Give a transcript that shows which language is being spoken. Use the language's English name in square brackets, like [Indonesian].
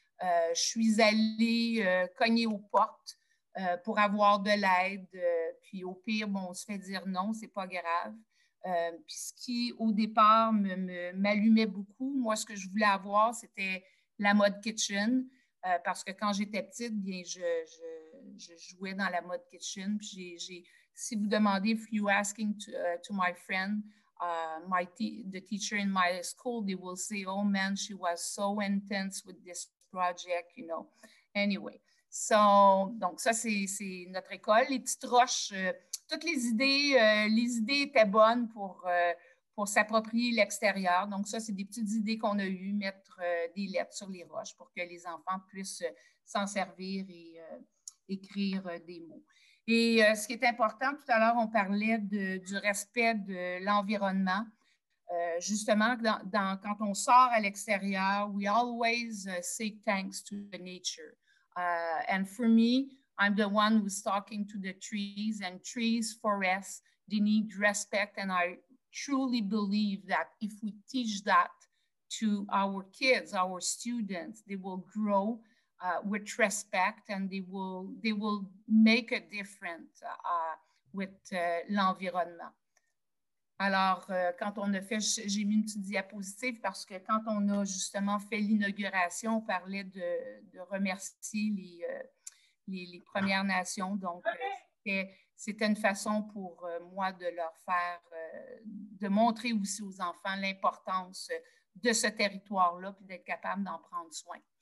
[French] Je suis allée cogner aux portes pour avoir de l'aide. Puis au pire, bon, on se fait dire non, c'est pas grave. Puis ce qui, au départ, m'allumait beaucoup, moi, ce que je voulais avoir, c'était la mode kitchen. Parce que quand j'étais petite, bien, je jouais dans la mode kitchen. Puis si vous demandez, [English] if you asking to my friend, the teacher in my school, they will say, oh man, she was so intense with this project, you know. Anyway, so, [French] donc ça, c'est notre école. Les petites roches, toutes les idées étaient bonnes pour s'approprier l'extérieur. Donc ça, c'est des petites idées qu'on a eues, mettre des lettres sur les roches pour que les enfants puissent s'en servir et écrire des mots. Et ce qui est important, tout à l'heure, on parlait du respect de l'environnement. Justement, quand on sort à l'extérieur, [English] we always say thanks to the nature. And for me, I'm the one who's talking to the trees, and trees, forests, they need respect. And I truly believe that if we teach that to our kids, our students, they will grow with respect, and they will make a difference with l'environnement. [French] Alors, quand on a fait, j'ai mis une petite diapositive parce que quand on a justement fait l'inauguration, on parlait de remercier les Premières Nations. Donc, c'était une façon pour moi de leur faire, de montrer aussi aux enfants l'importance de ce territoire-là puis d'être capable d'en prendre soin.